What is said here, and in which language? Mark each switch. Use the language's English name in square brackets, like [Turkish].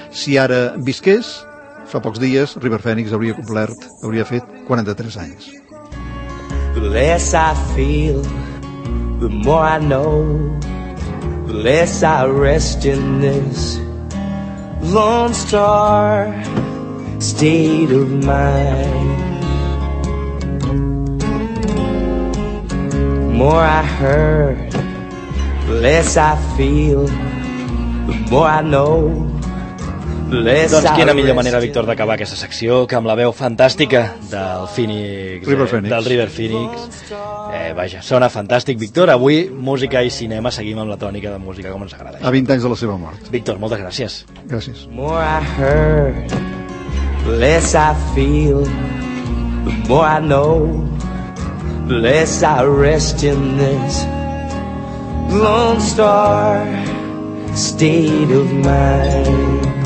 [Catalan] Si ara visqués, fa pocs dies River Phoenix hauria fet 43 anys. [English] The less I feel, the more I know, the less I rest in this Lone Star state of mind. The more I heard, the less I feel, the more I know, [Catalan] Les doncs quina millor manera, Víctor, d'acabar aquesta secció que amb la veu fantàstica del Phoenix, del River Phoenix. Vaja, sona fantàstic, Víctor. Avui, música i cinema, seguim amb la tònica de música com ens agrada. A 20 anys de la seva mort. Víctor, moltes gràcies. Gràcies. [English] More I heard, less I feel, more I know, less I rest in this Lone Star state of mind.